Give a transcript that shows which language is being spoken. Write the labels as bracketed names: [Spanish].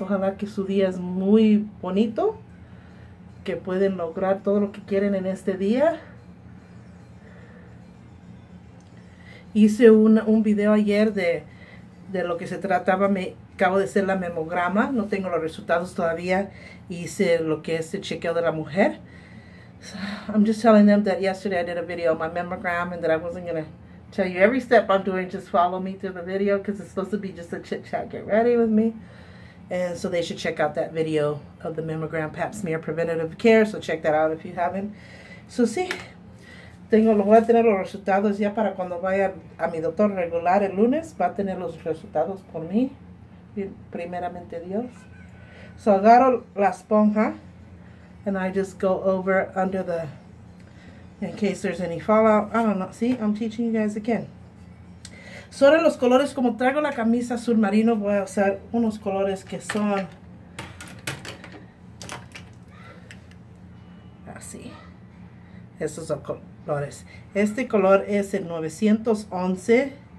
[Spanish] Ojalá que su día es muy bonito, que pueden lograr todo lo que quieren en este día. Hice un video ayer de lo que se trataba. Me acabo de hacer la mamograma. No tengo los resultados todavía. Hice lo que es el chequeo de la mujer. [English] So, I'm just telling them that yesterday I did a video of my mammogram and that I wasn't going to tell you every step I'm doing. Just follow me through the video because it's supposed to be just a chit chat, get ready with me. And so they should check out that video of the mammogram pap smear preventative care. So check that out if you haven't. [Spanish] So sí, tengo, lo voy a tener los resultados ya para cuando vaya a mi doctor regular el lunes. Va a tener los resultados por mí, primeramente Dios. [English] So [Spanish] agarro la esponja [English] and I just go over under the, in case there's any fallout. I don't know. See, I'm teaching you guys again. [Spanish] Sobre los colores, como traigo la camisa azul marino, voy a usar unos colores que son así. Estos son colores. Este color es el 911.